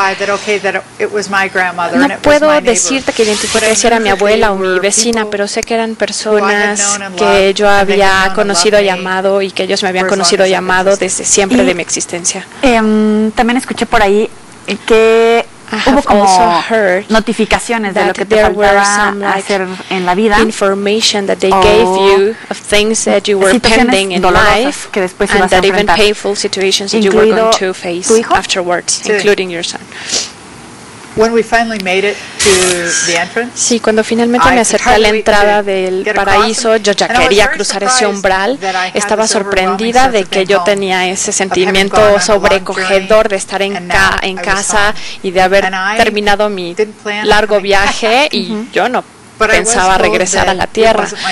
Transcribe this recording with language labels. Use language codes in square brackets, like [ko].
[es] No puedo decirte que identifiqué si era mi abuela o mi vecina, pero sé que eran personas que yo había conocido y amado y que ellos me habían conocido y amado desde siempre de mi existencia. También escuché por ahí que hubo como notificaciones de lo que te faltaba hacer en la vida. [en] Information that they gave you of things that you were pending in life, [es] que después ibas a enfrentar, [en] and even painful situations that you were going to face afterwards, including your son. When we finally made it to the entrance, [es] sí, cuando finalmente me acerqué a la entrada del paraíso, yo ya quería cruzar ese umbral. Estaba sorprendida de que yo tenía ese sentimiento sobrecogedor de estar en casa y de haber terminado mi largo viaje, y yo no pensaba regresar a la tierra.